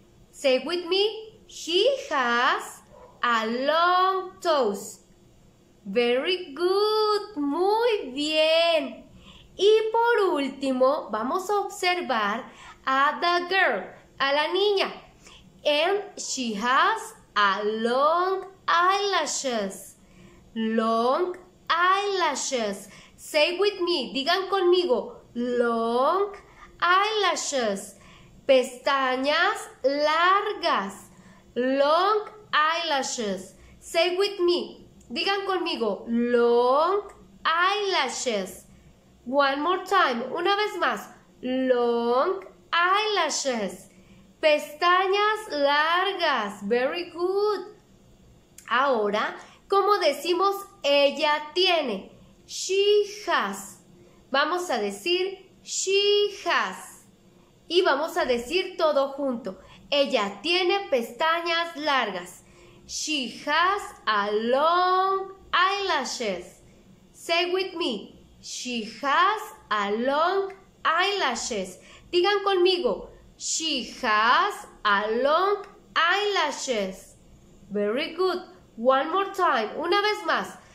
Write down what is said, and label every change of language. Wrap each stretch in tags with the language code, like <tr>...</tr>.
<en>Say with me. He has a long toes. Very good.</en> <es>Muy bien. Y por último, vamos a observar a</es> <en>the girl,</en> <es>a la niña.</es> <en>And she has a long eyelashes. Long eyelashes. Say with me,</en> <es>digan conmigo,</es> <en>long eyelashes,</en> <es>pestañas largas,</es> <en>long eyelashes. Say with me,</en> <es>digan conmigo,</es> <en>long eyelashes. One more time,</en> <es>una vez más,</es> <en>long eyelashes,</en> <es>pestañas largas.</es> <en>Very good.</en> <es>Ahora, ¿cómo decimos ella tiene?</es> <en>She has.</en> <es>Vamos a decir</es> <en>she has.</en> <es>Y vamos a decir todo junto. Ella tiene pestañas largas.</es> <en>She has a long eyelashes. Say with me. She has a long eyelashes.</en> <es>Digan conmigo.</es> <en>She has a long eyelashes. Very good. One more time.</en> <es>Una vez más.</es>